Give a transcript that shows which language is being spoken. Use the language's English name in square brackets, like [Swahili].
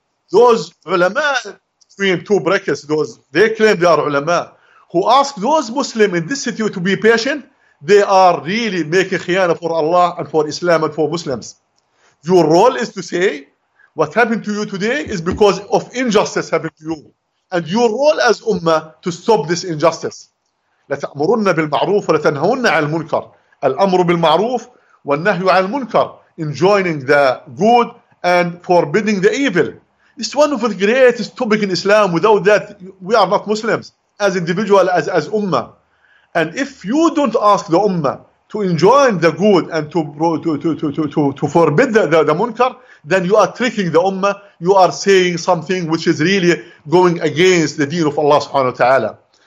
[English] Those ulama, between two brackets, those they claim they are ulama, who ask those Muslims in this city to be patient, they are really making khiyana for Allah and for Islam and for Muslims. Your role is to say, what happened to you today is because of injustice happened to you. And your role as ummah to stop this injustice. [Arabic] لَتَأْمُرُنَّ بِالْمَعْرُوفِ وَلَتَنْهَوُنَّ عَلْ الْمُنْكَرِ الْأَمْرُ بِالْمَعْرُوفِ وَالنَّهْيُ عَلْ الْمُنْكَرِ [English] enjoining the good and forbidding the evil. It's one of the greatest topics in Islam. Without that, we are not Muslims as individual, as ummah. And if you don't ask the ummah to enjoin the good and to forbid the munkar, then you are tricking the ummah. You are saying something which is really going against the deen of Allah subhanahu wa ta'ala.